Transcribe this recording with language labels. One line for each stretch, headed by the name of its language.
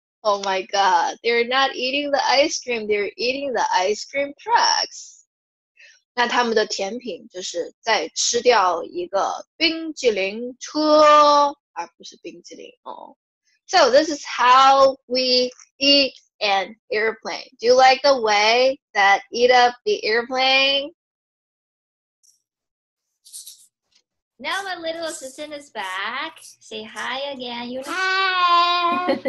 English: Oh my god, they're not eating the ice cream, they're eating the ice cream trucks.
Chinese: 那他们的甜品就是在吃掉一个冰淇淋车，而不是冰淇淋哦。
English: So this is how we eat an airplane. Do you like the way that eat up the airplane? Now my little assistant is back. Say hi again, Eunice. Hi!